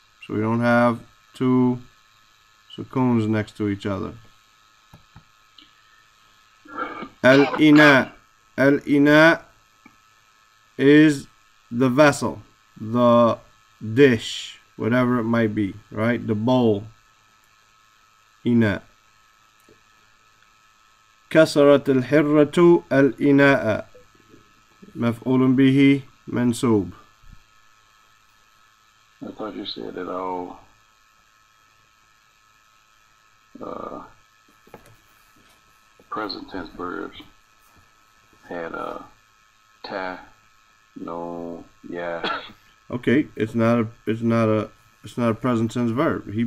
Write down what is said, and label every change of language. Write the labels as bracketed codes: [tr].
[en] So we don't have two sukuns next to each other. Al-ina. Al-ina is the vessel, the dish, whatever it might be, right? The bowl. Ina. [ar] كسرت الحرة الإناء مفعول به منصوب. [en] I thought you said it all. Present tense verbs had a ta, no, yeah. Okay, it's not a present tense verb.